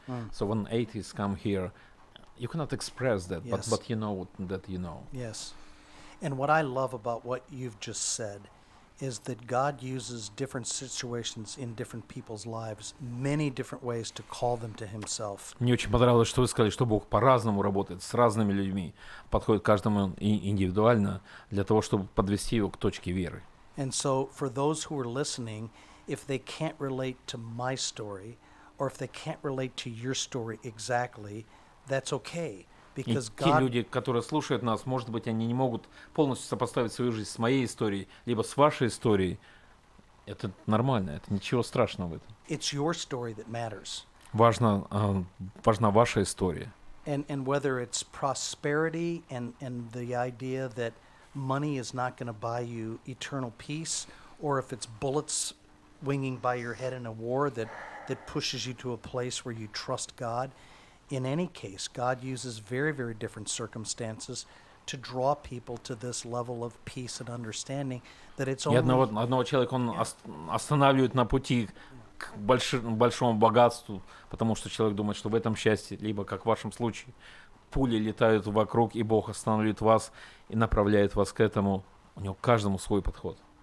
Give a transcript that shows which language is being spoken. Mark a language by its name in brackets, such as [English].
[English] So when atheists come here, you cannot express that, yes. but you know that you know. Yes. And what I love about what you've just said is that God uses different situations in different people's lives, many different ways to call them to himself. [Russian] Мне очень понравилось, что вы сказали, что Бог по-разному работает с разными людьми, подходит каждому индивидуально для того, чтобы подвести его к точке веры. [English] And so for those who are listening, if they can't relate to my story or if they can't relate to your story exactly, that's okay, because [Russian] и те люди, которые слушают нас, может быть, они не могут полностью сопоставить свою жизнь с моей историей, либо с вашей историей. Это нормально, это ничего страшного в этом. [English] It's your story that matters. [Russian] Важна ваша история. [English] And whether it's prosperity and the idea that money is not going to buy you eternal peace, or if it's bullets winging by your head in a war that pushes you to a place where you trust God. In any case, God uses very, very different circumstances to draw people to this level of peace and understanding that it's only... [Russian] Одного человека он останавливает на пути к большому богатству, потому что человек думает, что в этом счастье, либо, как в вашем случае, пули летают вокруг, и Бог останавливает вас и направляет вас к этому. У него к каждому свой подход.